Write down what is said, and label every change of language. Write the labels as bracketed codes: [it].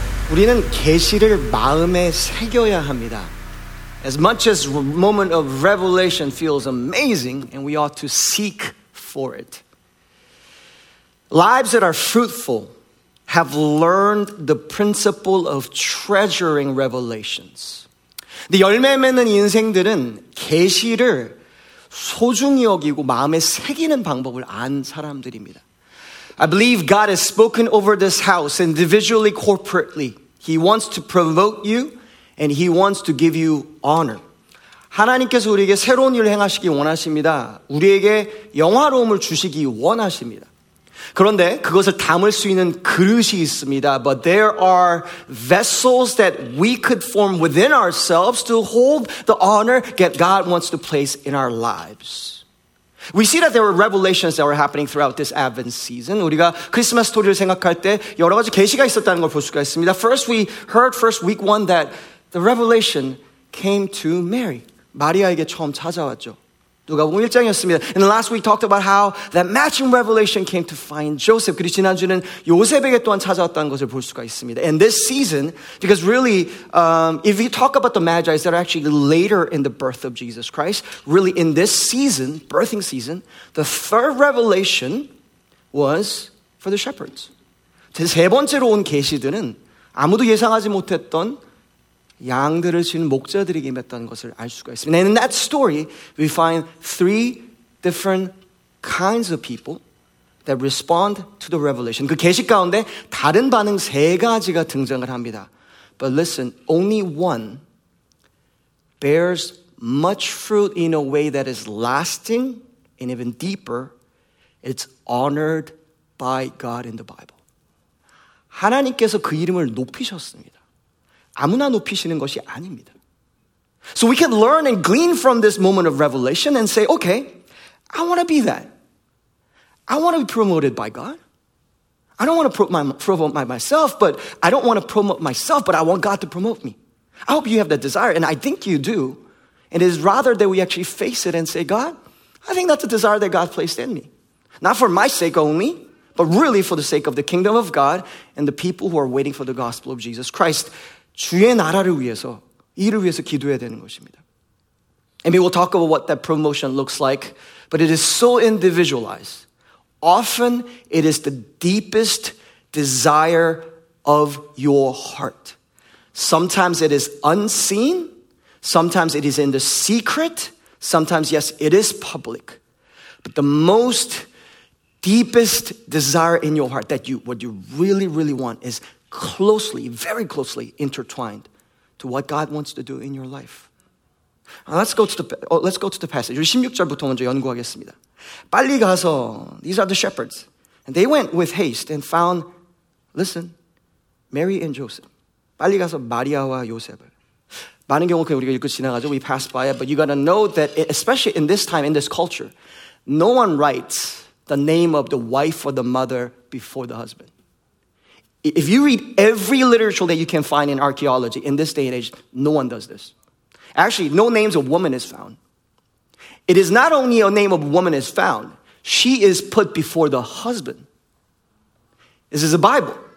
[ko] 우리는 계시를 마음에 새겨야 합니다. [en] As much as the moment of revelation feels amazing, and we ought to seek for it. Lives that are fruitful have learned the principle of treasuring revelations. [ko] 열매 맺는 인생들은 계시를 소중히 여기고 마음에 새기는 방법을 안 사람들입니다. [en] I believe God has spoken over this house individually, corporately. He wants to promote you and he wants to give you honor. [ko] 하나님께서 우리에게 새로운 일을 행하시기 원하십니다. 우리에게 영화로움을 주시기 원하십니다. 그런데 그것을 담을 수 있는 그릇이 있습니다. [en] But there are vessels that we could form within ourselves to hold the honor that God wants to place in our lives. We see that there were revelations that were happening throughout this Advent season. [ko] 우리가 크리스마스 스토리를 생각할 때 여러 가지 계시가 있었다는 걸 볼 수가 있습니다. [en] First, we heard first week one that the revelation came to Mary. [ko] 마리아에게 처음 찾아왔죠. 누가복음 1장이었습니다. [en] And last week talked about how that matching revelation came to find Joseph. [ko] 그리고 지난주는 요셉에게 또한 찾아왔다는 것을 볼 수가 있습니다. [en] And this season, because really, if you talk about the Magi, that are actually later in the birth of Jesus Christ, really in this season, birthing season, the third revelation was for the shepherds. [ko] 세 번째로 온 계시들은 아무도 예상하지 못했던 양들을 지는 목자들에게 임했다는 것을 알 수가 있습니다. [en] And in that story, we find three different kinds of people that respond to the revelation. [ko] 그 계시 가운데 다른 반응 세 가지가 등장을 합니다. [en] But listen, only one bears much fruit in a way that is lasting and even deeper. It's honored by God in the Bible. [ko] 하나님께서 그 이름을 높이셨습니다. 아무나 높이시는 것이 아닙니다. [en] So we can learn and glean from this moment of revelation and say, okay, I want to be that. I want to be promoted by God. I don't want to promote myself, but I don't want to promote myself, but I want God to promote me. I hope you have that desire, and I think you do. And it is rather that we actually face it and say, God, I think that's a desire that God placed in me. Not for my sake only, but really for the sake of the kingdom of God and the people who are waiting for the gospel of Jesus Christ. [ko] 주의 나라를 위해서, 이를 위해서 기도해야 되는 것입니다. [en] And we will talk about what that promotion looks like, but it is so individualized. Often, it is the deepest desire of your heart. Sometimes it is unseen, sometimes it is in the secret, sometimes, yes, it is public. But the most deepest desire in your heart that you, what you really, really want is closely, very closely intertwined to what God wants to do in your life. Let's go to the passage. [ko] 16절부터 먼저 연구하겠습니다. 빨리 가서, [en] these are the shepherds. And they went with haste and found, listen, Mary and Joseph. [ko] 빨리 가서 마리아와 요셉을. 많은 경우 그냥 우리가 읽고 지나가죠. [en] We pass by it. But you got to know that, it, especially in this time, in this culture, no one writes the name of the wife or the mother before the husband. If you read every literature that you can find in archaeology in this day and age, no one does this. Actually, no names of woman is found. It is not only a name of woman is found, she is put before the husband. This is a Bible.